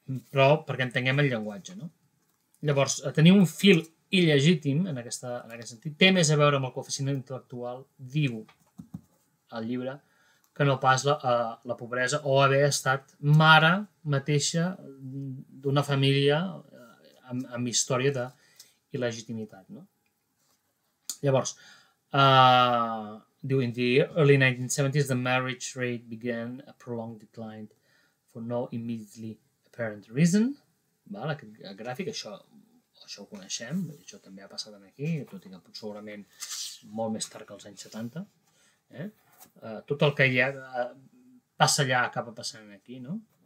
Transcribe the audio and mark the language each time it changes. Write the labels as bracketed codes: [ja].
[ca] Però perquè entenguem el llenguatge, no? Llavors, tenir un fil il·legítim en aquest sentit té més a veure amb el coeficient intel·lectual, diu el llibre, que no pas la pobresa o haver estat mare mateixa d'una família amb història de il·legitimitat, no? Llavors, diu, [en] in the early 1970s, the marriage rate began a prolonged decline for no immediately apparent reason. [ca] Val? Aquest gràfic, això ho coneixem, això també ha passat aquí, tot i que segurament molt més tard que els anys 70. Tot el que hi ha passa allà, acaba passant aquí, no?